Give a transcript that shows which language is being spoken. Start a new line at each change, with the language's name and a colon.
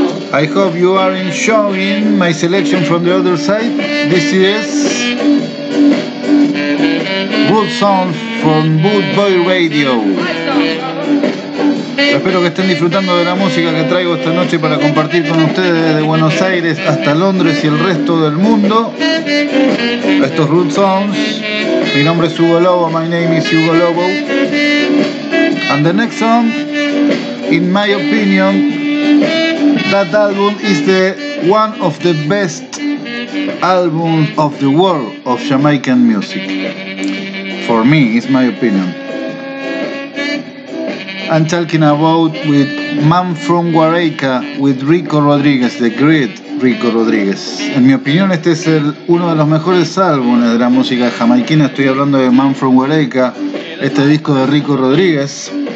English: I hope you are enjoying my selection from the other side. This is Good Sound from Boot Boy Radio.
Spanish: Espero que estén disfrutando de la música que traigo esta noche para compartir con ustedes desde Buenos Aires hasta Londres y el resto del mundo. Esto es Root Sounds. Mi nombre es Hugo Lobo.
English: My name is Hugo Lobo. And the next song, in my opinion, that album is the one of the best albums of the world of Jamaican music. For me, it's my opinion. I'm talking about with Man from Guareca with Rico Rodriguez, the great Rico Rodriguez.
Spanish: En mi opinión, este es uno de los mejores álbumes de la música jamaicana. Estoy hablando de Man from Guareca, este disco de Rico Rodriguez.